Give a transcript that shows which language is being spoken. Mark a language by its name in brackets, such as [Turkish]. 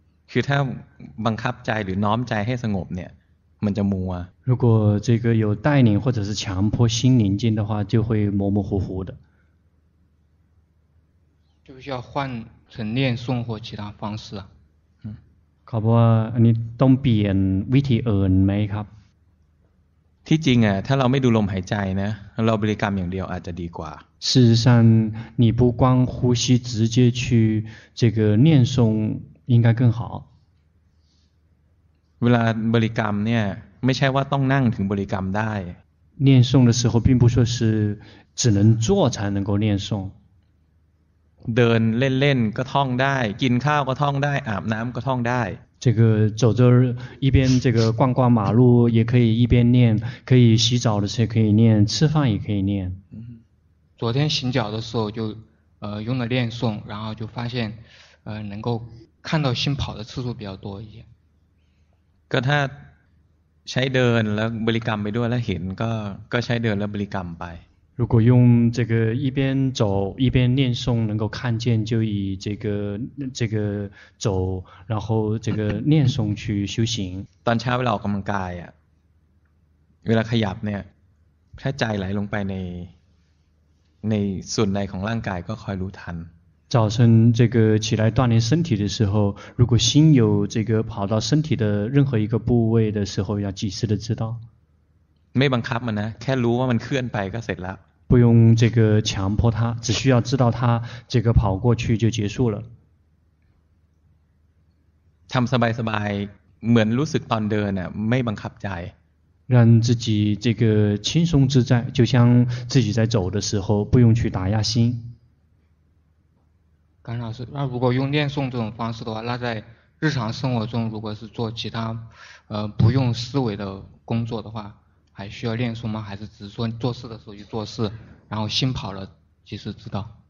[Thai] คือถ้าบังคับใจหรือน้อมใจให้สงบเนี่ยมันจะมัว [Chinese] 如果这个有带领或者是强迫心宁静的话就会模模糊糊的就需要换成念诵或其他方式 [Thai] ครับว่าอันนี้ต้องเปลี่ยนวิธีอื่นไหมครับ ที่จริงอ่ะถ้าเราไม่ดูลมหายใจนะเราบริกรรมอย่างเดียวอาจจะดีกว่า [Chinese] 事实上你不光呼吸直接去这个念诵应该更好 [Thai] เวลาบริกรรมเนี่ยไม่ใช่ว่าต้องนั่งถึงบริกรรมได้ [Chinese] 念诵的时候并不说是只能坐才能够念诵 [Thai] เดินเล่นๆก็ท่องได้กินข้าวก็ท่องได้อาบน้ำก็ท่องได้ [Chinese] 这个走着一边这个逛逛马路也可以一边念可以洗澡的时候可以念吃饭也可以念昨天醒脚的时候就用了念诵然后就发现能够看到心跑的次数比较多一些 [Thai] ก็ถ้าใช้เดินแล้วบริกรรมไปด้วยแล้วเห็นก็ใช้เดินแล้วบริกรรมไป [Chinese] 如果用这个一边走一边念诵能够看见就以这个走然后这个念诵去修行 [Thai] ตอนเช้าเวลาออกกำลังกายอ่ะเวลาขยับเนี่ยถ้าใจไหลลงไปในส่วนใดของร่างกายก็คอยรู้ทัน [Chinese] 早晨这个起来锻炼身体的时候如果心有这个跑到身体的任何一个部位的时候要及时的知道 [Thai] ไม่บังคับมันนะแค่รู้ว่ามันเคลื่อนไปก็เสร็จแล้ว [Chinese] 不用这个强迫它只需要知道它这个跑过去就结束了 [Thai] ทำสบายสบายเหมือนรู้สึกตอนเดินน่ะไม่บังคับใจ [Chinese] 让自己这个轻松自在就像自己在走的时候不用去打压心甘老师那如果用念诵这种方式的话那在日常生活中如果是做其他不用思维的工作的话还需要念诵吗还是只是说做事的时候去做事然后心跑了及时知道